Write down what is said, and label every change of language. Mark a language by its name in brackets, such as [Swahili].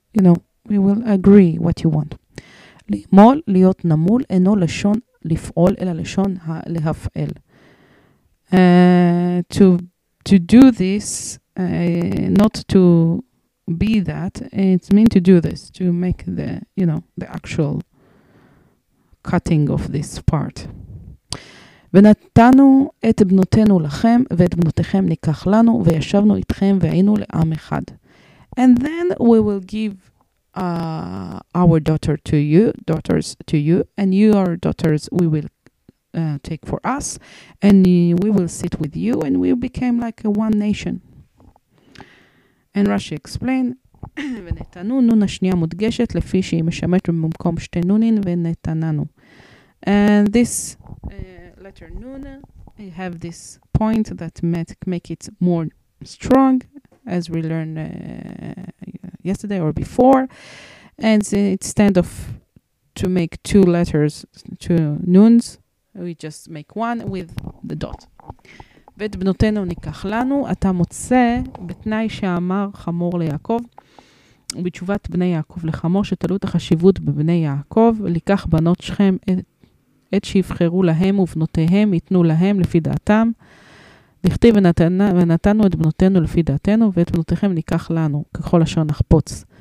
[English] You know, we will agree what you want. [Hebrew] לימול, להיות נמול, אינו לשון לפעול, אלא לשון להפעל. [English] To do this, not to be that, it's mean to do this, to make the, you know, the actual cutting of this part. [Hebrew] ונתנו את בנותינו לכם ואת בנותיכם ניקח לנו וישבנו איתכם והיינו לעם אחד. [English] And then we will give our daughter to you, daughters to you, and your daughters we will take for us, and we will sit with you, and we became like a one nation. And Rashi explained, [Hebrew] ונתנו נון השנייה מודגשת לפי שהיא משמשת במקום שתי נונין ונתננו. [English] And this letter nun, you have this point that make it more strong, as we learned yesterday or before, and it stand of to make two letters, two nuns, we just make one with [Hebrew] הנדדות. ואת בנותינו ניקח לנו, אתה מוצא בתנאי שאמר חמור ליעקב, ובתשובת בני יעקב לחמור שתלו את החשיבות בבני יעקב, לקח בנות שכם את שיבחרו להם ובנותיהם ייתנו להם לפי דעתם, לכתיב ונתנו את בנותינו לפי דעתנו, ואת בנותיכם ניקח לנו, ככל אשר נחפוץ.